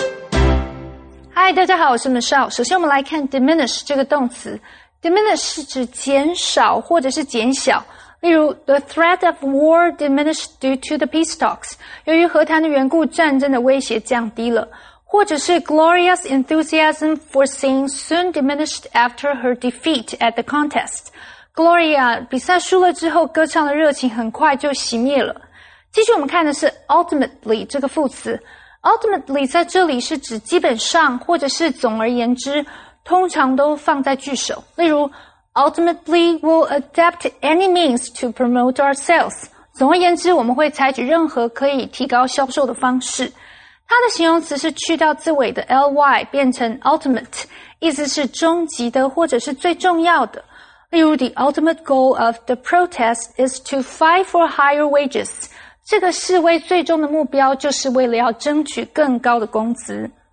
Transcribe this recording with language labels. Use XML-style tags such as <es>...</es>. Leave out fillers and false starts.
<zh>Hi, 大家好，我是 Michelle。首先我们来看 diminish 这个动词。 Diminish 是指减少或者是减小。例如</zh> <en>,the threat of war diminished due to the peace talks.</en> <zh>由于和谈的缘故，战争的威胁降低了。或者是</zh> <en>Gloria's enthusiasm for seeing soon diminished after her defeat at the contest.</en> <zh>Gloria, 比赛输了之后歌唱的热情很快就熄灭了。继续我们看的是 ultimately 这个副词。Ultimately 在这里是指基本上或者是总而言之通常都放在句首。例如</zh> <en>,ultimately we'll adapt any means to promote our sales.</en> <zh>总而言之我们会采取任何可以提高销售的方式。它的形容词是去掉字尾的 ly 变成 ultimate， 意思是终极的或者是最重要的。例如</zh> <en>,the ultimate goal of the protest is to fight for higher wages。</en> <zh>这个示威最终的目标就是为了要争取更高的工资。</zh>